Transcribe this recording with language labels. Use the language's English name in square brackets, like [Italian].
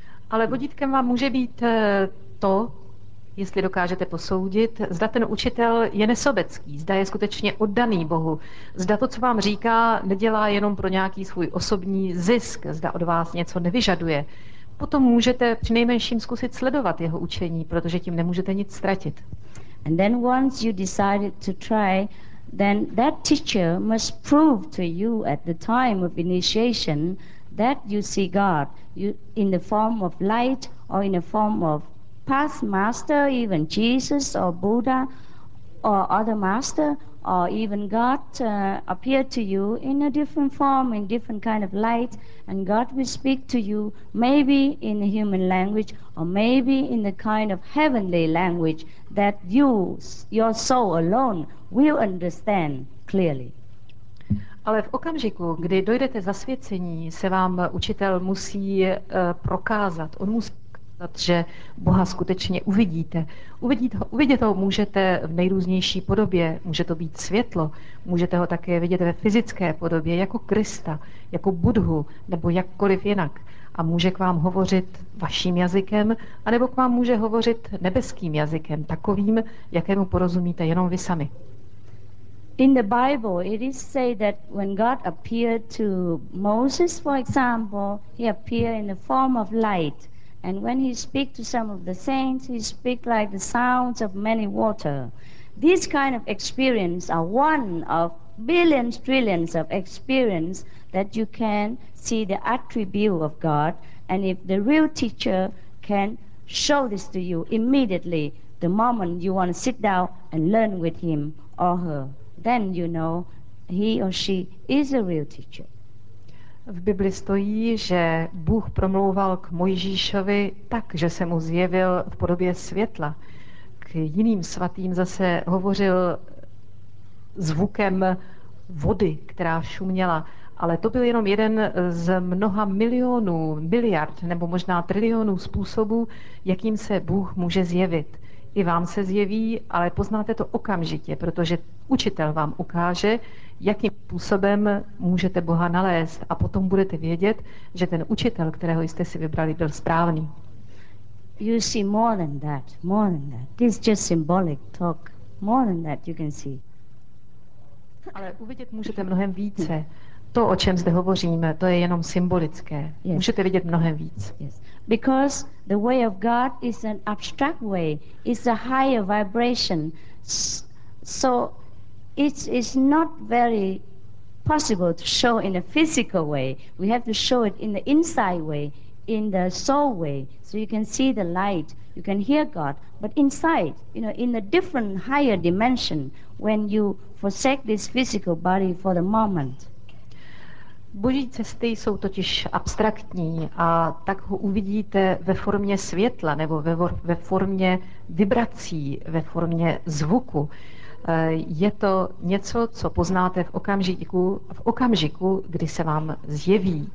[Czech] Ale vodítkem vám může být to, jestli dokážete posoudit, zda ten učitel je nesobecký, zda je skutečně oddaný Bohu, zda to, co vám říká, nedělá jenom pro nějaký svůj osobní zisk, zda od vás něco nevyžaduje. Potom můžete přinejmenším zkusit sledovat jeho učení, protože tím nemůžete nic ztratit. [English] And then once you decided to try, then that teacher must prove to you at the time of initiation that you see God in the form of light or in the form of past master, even Jesus or Buddha or other master or even God appeared to you in a different form, in different kind of light, and God will speak to you maybe in a human language or maybe in the kind of heavenly language that you, your soul alone, will understand clearly. [Czech] Ale v okamžiku, kdy dojdete zasvěcení, se vám učitel musí prokázat. On musí prokázat, že Boha skutečně uvidíte. Uvidět ho můžete v nejrůznější podobě. Může to být světlo. Můžete ho také vidět ve fyzické podobě, jako Krista, jako Buddhu, nebo jakkoliv jinak. A může k vám hovořit vaším jazykem, anebo k vám může hovořit nebeským jazykem, takovým, jakému porozumíte jenom vy sami. [English] In the Bible, it is said that when God appeared to Moses, for example, he appeared in the form of light. And when he speaks to some of the saints, he speaks like the sounds of many water. These kind of experiences are one of billions, trillions of experiences that you can see the attribute of God. And if the real teacher can show this to you immediately, the moment you want to sit down and learn with him or her, then you know he or she is a real teacher. [Czech] V Bibli stojí, že Bůh promlouval k Mojžíšovi tak, že se mu zjevil v podobě světla. K jiným svatým zase hovořil zvukem vody, která šuměla. Ale to byl jenom jeden z mnoha milionů, miliard nebo možná trilionů způsobů, jakým se Bůh může zjevit. I vám se zjeví, ale poznáte to okamžitě, protože učitel vám ukáže, jakým způsobem můžete Boha nalézt a potom budete vědět, že ten učitel, kterého jste si vybrali, byl správný. [English] You see more than that, this is just symbolic talk, more than that you can see. [Czech] Ale uvidět můžete mnohem více. To, o čem zde hovoříme, to je jenom symbolické. [English] Yes. [Czech] Můžete vidět mnohem víc. [English] Yes. Because the way of God is an abstract way, it's a higher vibration. So it's not very possible to show in a physical way. We have to show it in the inside way, in the soul way. So you can see the light, you can hear God. But inside, you know, in a different higher dimension, when you forsake this physical body for the moment. [Czech] Boží cesty jsou totiž abstraktní a tak ho uvidíte ve formě světla nebo ve formě vibrací, ve formě zvuku. Je to něco, co poznáte v okamžiku, kdy se vám zjeví.